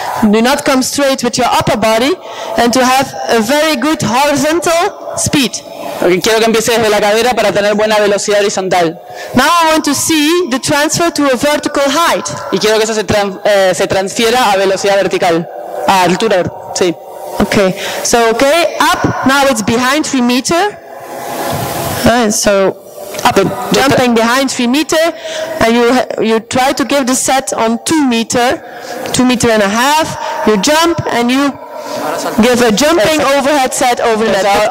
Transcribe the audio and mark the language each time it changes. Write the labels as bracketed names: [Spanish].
[English] Do not come straight with your upper body and to have a very good horizontal speed. [Spanish] Okay, quiero que empieces desde la cadera para tener buena velocidad horizontal. [English] Now I want to see the transfer to a vertical height. [Spanish] Y quiero que eso se transfiera a velocidad vertical, a altura, sí. [English] Okay, so okay, up, now it's behind 3 meter. So up, jumping behind 3 meter and you try to give the set on 2 meter, 2 meter and a half, you jump and you give a jumping overhead set over the net.